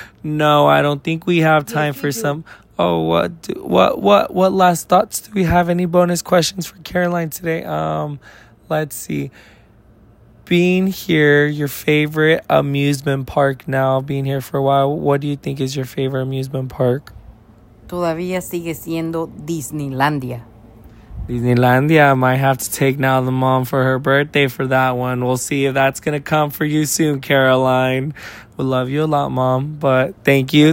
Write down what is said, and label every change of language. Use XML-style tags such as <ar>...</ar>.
<en>No, I don't think we have time for some. Oh, what last thoughts? Do we have any bonus questions for Caroline today? Let's see. Being here, your favorite amusement park now, being here for a while, what do you think is your favorite amusement park?</en> <es>Todavía sigue siendo Disneylandia.</es> <en>Disneylandia, I might have to take now the mom for her birthday for that one. We'll see if that's going to come for you soon, Caroline. We love you a lot, Mom, but thank you.</en>